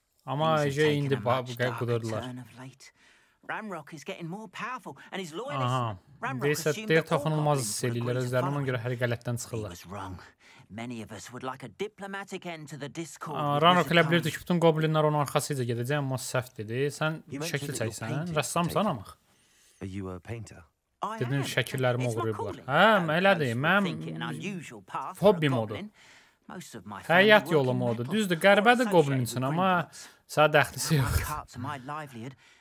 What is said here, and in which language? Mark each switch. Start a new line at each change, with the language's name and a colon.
Azerbaijani: Amma əcə indi qudurdular. Aha, deyirsə, deyir, toxunulmaz hiss edirlər, özlərini ona görə hər qələtdən çıxırlar.
English: Many of us would like a diplomatic end to the discord.
Azerbaijani: Renrock elə bilirdi ki, bütün goblinlər onun arxasıca gedəcək, amma səhv dedi. Sən şəkil çəksən, rəssamsan amıq. Dedin, şəkillərimi oğurayıblar. Hə, elədir, mən hobbi modu. Həyat yolu modu. Düzdür, qəribədir goblin üçün, amma sadəxtisi yoxdur.